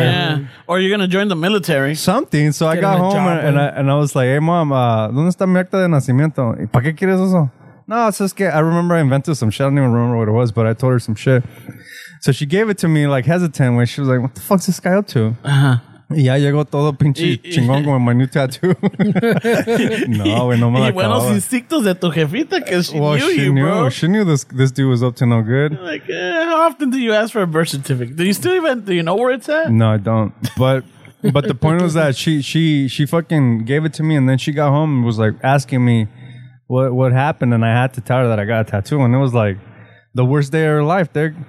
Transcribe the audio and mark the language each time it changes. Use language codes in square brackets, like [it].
[en] it? Or you're going to join the military. Something. So I got home and I was like, hey, mom, [es] ¿dónde está mi acta de nacimiento? ¿Y para qué quieres eso? [en] No, it's just que I remember I invented some shit. I don't even remember what it was, but I told her some shit. So she gave it to me like hesitant when she was like, what the fuck's this guy up to? [es] Y ya llegó todo pinche chingón con [en] my new tattoo. [es] No, güey, no me la acababa. Y buenos instintos de tu jefita, que [en] she knew she you, knew, bro. She knew this dude was up to no good. Like, how often do you ask for a birth certificate? Do you know where it's at? No, I don't. But the point was that she fucking gave it to me, and then she got home and was like asking me what happened, and I had to tell her that I got a tattoo, and it was like the worst day of her life, dude.